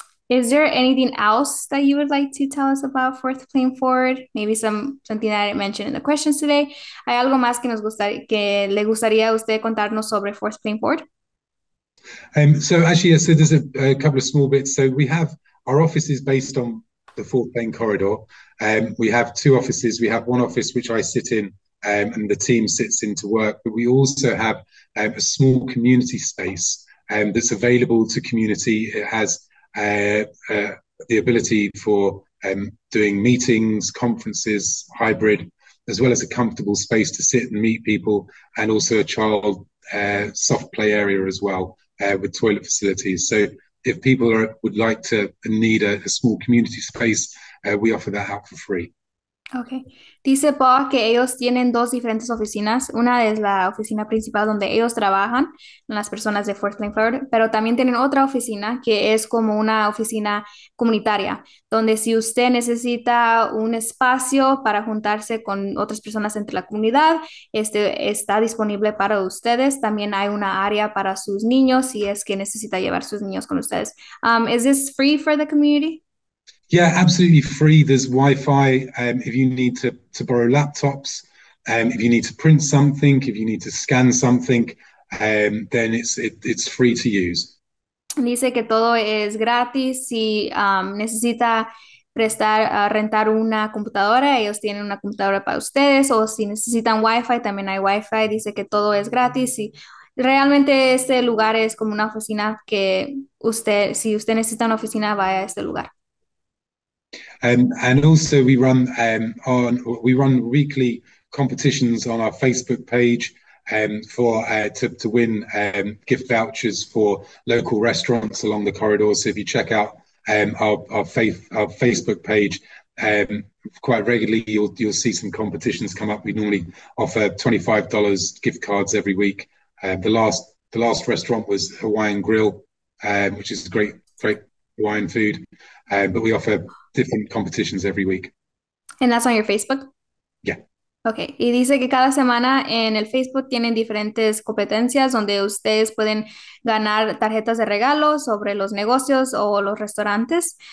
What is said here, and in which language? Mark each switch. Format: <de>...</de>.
<en>Is there anything else that you would like to tell us about Fourth Plain Forward? Maybe something that I didn't mention in the questions today.</en> <es>¿Hay algo más que le gustaría a usted contarnos sobre Fourth Plain Forward?</es> <en>So there's a couple of small bits. So we have our offices based on the Fourth Plain Corridor. We have two offices. We have one office which I sit in and the team sits in to work. But we also have a small community space that's available to community. It has the ability for doing meetings, conferences, hybrid, as well as a comfortable space to sit and meet people, and also a child soft play area as well. With toilet facilities. So if people would like to need a small community space, we offer that out for free. Okay.</en> <es>Dice Paul que ellos tienen dos diferentes oficinas. Una es la oficina principal donde ellos trabajan, las personas de First Flower, pero también tienen otra oficina que es como una oficina comunitaria, donde si usted necesita un espacio para juntarse con otras personas entre la comunidad, este está disponible para ustedes. También hay una área para sus niños si es que necesita llevar sus niños con ustedes.</es> <en>Is this free for the community? Yeah, absolutely free. There's Wi-Fi. If you need to borrow laptops, if you need to print something, if you need to scan something, then it's free to use.</en> <es>Dice que todo es gratis. Si necesita prestar, rentar una computadora, ellos tienen una computadora para ustedes. O si necesitan Wi-Fi, también hay Wi-Fi. Dice que todo es gratis. Y realmente este lugar es como una oficina que usted, si usted necesita una oficina, vaya a este lugar.</es> <en>And also, we run weekly competitions on our Facebook page to win gift vouchers for local restaurants along the corridor. So if you check out our Facebook page quite regularly, you'll see some competitions come up. We normally offer $25 gift cards every week. The last restaurant was Hawaiian Grill, which is great Hawaiian food, but we offer different competitions every week. And that's on your Facebook.</en> <es>Okay, y dice que cada semana en el Facebook tienen diferentes competencias donde ustedes pueden ganar tarjetas de regalo sobre los negocios o los restaurantes.</es>